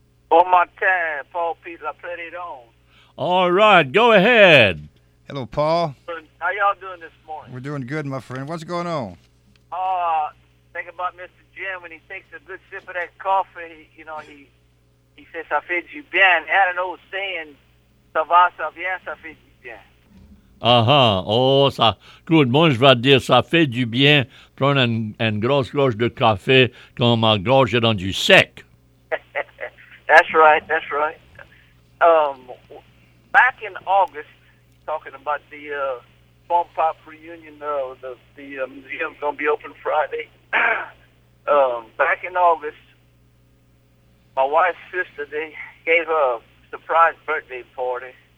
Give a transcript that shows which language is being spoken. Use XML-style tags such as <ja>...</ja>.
<fr>Bon matin, Paul Pete La Peridon.</fr> <en>All right, go ahead. Hello, Paul. How y'all doing this morning? We're doing good, my friend. What's going on? Think about Mr. Jim when he takes a good sip of that coffee. You know, he says,</en> <fr>ça fait du bien.</fr> <en>He had an old saying,</en> <fr>ça va, ça vient, ça fait du bien.</fr> <en>Uh-huh. Oh, ça. Good.</en> <fr>Moi, je vais dire, ça fait du bien prendre une grosse gorge de café quand ma gorge est rendue sec.</fr> <en>That's right. That's right. Back in August, talking about the Funk Pop reunion, the museum's going to be open Friday. back in August, my wife's sister, they gave a surprise birthday party.</en>